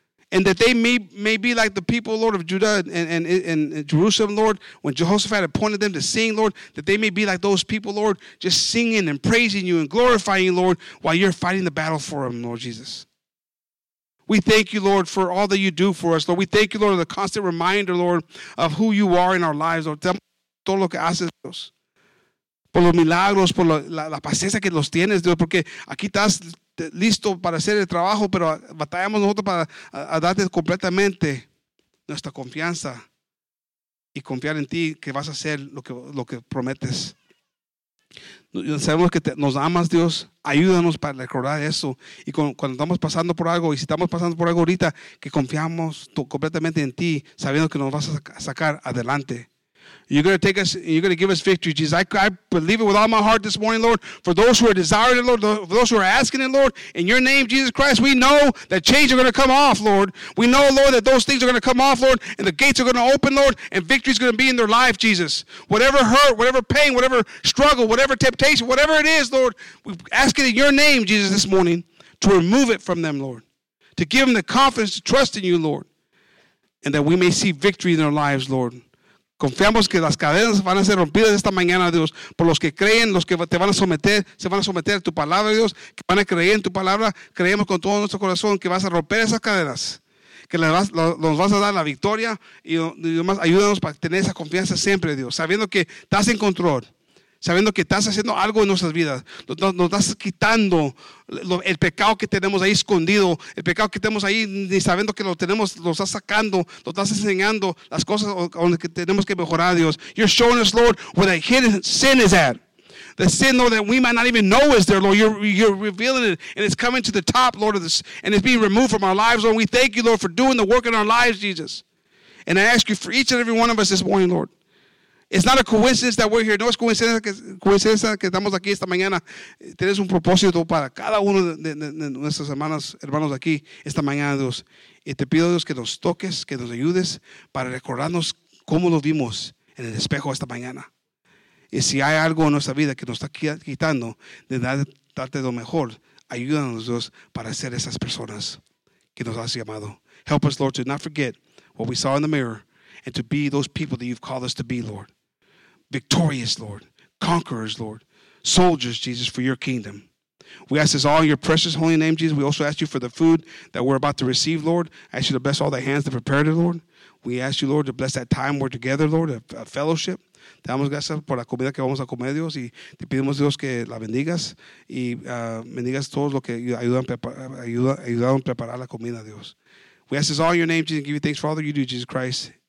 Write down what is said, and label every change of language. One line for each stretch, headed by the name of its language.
English: And that they may be like the people, Lord, of Judah and Jerusalem, Lord, when Jehoshaphat appointed them to sing, Lord, that they may be like those people, Lord, just singing and praising you and glorifying you, Lord, while you're fighting the battle for them, Lord Jesus. We thank you, Lord, for all that you do for us, Lord. We thank you, Lord, for the constant reminder, Lord, of who you are in our lives, Lord.
Spanish: Todo lo que haces, Dios. Por los milagros, por la paciencia que los tienes, Dios. Porque aquí estás listo para hacer el trabajo, pero batallamos nosotros para darte completamente nuestra confianza y confiar en ti que vas a hacer lo que prometes. Sabemos que nos amas, Dios. Ayúdanos para recordar eso. Y cuando estamos pasando por algo, y si estamos pasando por algo ahorita, que confiamos completamente en ti, sabiendo que nos vas a sacar adelante.
English: You're going to take us, and you're going to give us victory, Jesus. I believe it with all my heart this morning, Lord. For those who are desiring it, Lord, for those who are asking it, Lord, in your name, Jesus Christ, we know that chains are going to come off, Lord. We know, Lord, that those things are going to come off, Lord, and the gates are going to open, Lord, and victory is going to be in their life, Jesus. Whatever hurt, whatever pain, whatever struggle, whatever temptation, whatever it is, Lord, we ask it in your name, Jesus, this morning, to remove it from them, Lord, to give them the confidence to trust in you, Lord, and that we may see victory in their lives, Lord.
Spanish: Confiamos que las cadenas van a ser rompidas esta mañana, Dios, por los que creen, los que te van a someter, se van a someter a tu palabra, Dios, que van a creer en tu palabra. Creemos con todo nuestro corazón que vas a romper esas cadenas, que nos vas a dar la victoria y demás. Ayúdanos para tener esa confianza siempre, Dios, sabiendo que estás en control, sabiendo que estás haciendo algo en nuestras vidas. Nos estás quitando el pecado que tenemos ahí escondido, el pecado que tenemos ahí, ni sabiendo que lo tenemos, lo estás sacando, lo estás enseñando las cosas que tenemos que mejorar, Dios.
English: You're showing us, Lord, where the hidden sin is at. The sin, Lord, that we might not even know is there, Lord. You're revealing it, and it's coming to the top, Lord, of this, and it's being removed from our lives, Lord. We thank you, Lord, for doing the work in our lives, Jesus. And I ask you for each and every one of us this morning, Lord. It's not a coincidence that we're here.
Spanish: No es coincidencia que estamos aquí esta mañana. Tienes un propósito para cada uno de nuestras hermanos aquí esta mañana, Dios. Y te pido, Dios, que nos toques, que nos ayudes para recordarnos cómo lo vimos en el espejo esta mañana. Y si hay algo en nuestra vida que nos está quitando de darte lo mejor, ayúdanos, Dios, para ser esas personas que nos has llamado.
English: Help us, Lord, to not forget what we saw in the mirror, and to be those people that you've called us to be, Lord. Victorious, Lord. Conquerors, Lord. Soldiers, Jesus, for your kingdom. We ask this all in your precious holy name, Jesus. We also ask you for the food that we're about to receive, Lord. I ask you to bless all the hands that prepared it, Lord. We ask you, Lord, to bless that time we're together, Lord, a fellowship.
Spanish: Te damos gracias por la comida que vamos a comer, Dios, y te pedimos, Dios, que la bendigas y bendigas todos los que ayudan a preparar la comida, Dios.
English: We ask this all in your name, Jesus, and give you thanks for all that you do, Jesus Christ.